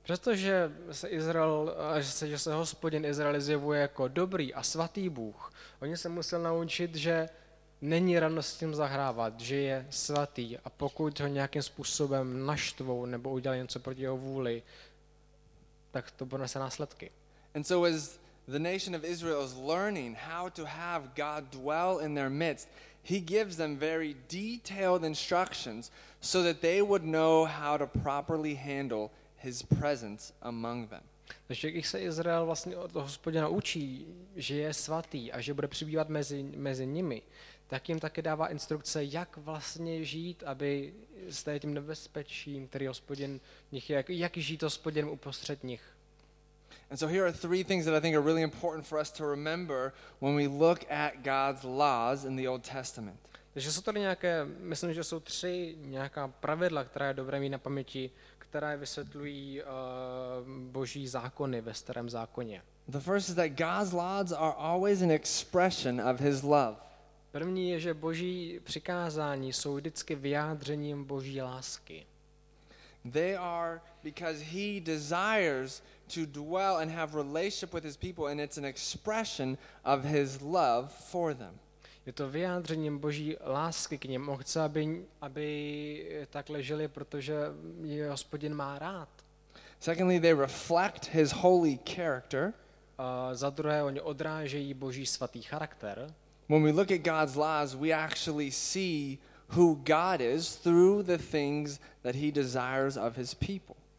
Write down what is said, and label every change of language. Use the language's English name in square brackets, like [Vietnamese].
[Czech] Přestože se Izrael, že se Hospodin Izrael zjevuje jako dobrý a svatý Bůh, oni se museli naučit, že není rano s tím zahrávat, že je svatý a pokud ho nějakým způsobem naštvou nebo udělá něco proti jeho vůli, tak to ponese následky. [English] And so as the nation of Israel is learning how to have God dwell in their midst, he gives them very detailed instructions so that they would know how to properly handle his presence among them. [Czech] Takže když se Izrael vlastně od Hospodina učí, že je svatý a že bude přibývat mezi nimi, tak jim také dává instrukce, jak vlastně žít, aby s tím nebezpečím, který Hospodin v nich je, jak žít Hospodin uprostřed nich. [English] And so here are three things that I think are really important for us to remember when we look at God's laws in the Old Testament. [Czech] Takže jsou tady nějaké, myslím, že jsou tři nějaká pravidla, která je dobré mít na paměti, která vysvětlují boží zákony ve starém zákoně. [English] The first is that God's laws are always an expression of his love. [Czech] První je, že boží přikázání jsou vždycky vyjádřením boží lásky. [English] They are because he desires to dwell and have relationship with his people and it's an expression of his love for them. [Czech] Je to vyjádřením boží lásky k němu. On chce, aby takhle žili, protože je Hospodin má rád. [English] Secondly, they reflect his holy character. [Czech] Za druhé, oni odrážejí boží svatý charakter. [English] When we look at God's laws, we actually see who God is through the things that he desires of his people.